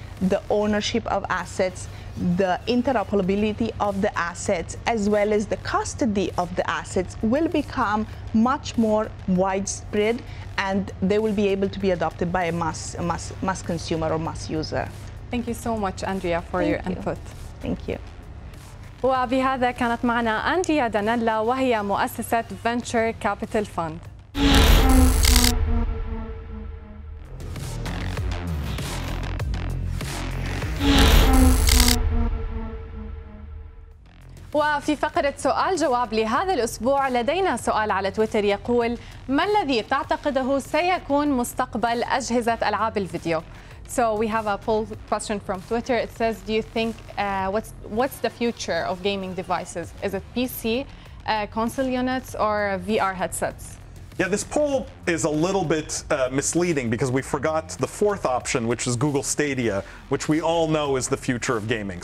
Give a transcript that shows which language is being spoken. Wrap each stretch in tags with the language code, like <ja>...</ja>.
<en>The ownership of assets, the interoperability of the assets, as well as the custody of the assets will become much more widespread and they will be able to be adopted by a mass consumer or mass user. Thank you so much, Andrea, for your input. Thank you.</en> <ar>وبهذا كانت معنا أندريا دانيلا وهي مؤسسة فينتشر كابيتال فند. وفي فقرة سؤال جواب لهذا الأسبوع لدينا سؤال على تويتر يقول: ما الذي تعتقده سيكون مستقبل أجهزة ألعاب الفيديو؟</ar> <en>So we have a poll question from Twitter. It says, do you think what's the future of gaming devices? Is it PC, console units, or VR headsets? Yeah, this poll is a little bit misleading because we forgot the fourth option, which is Google Stadia, which we all know is the future of gaming.</en>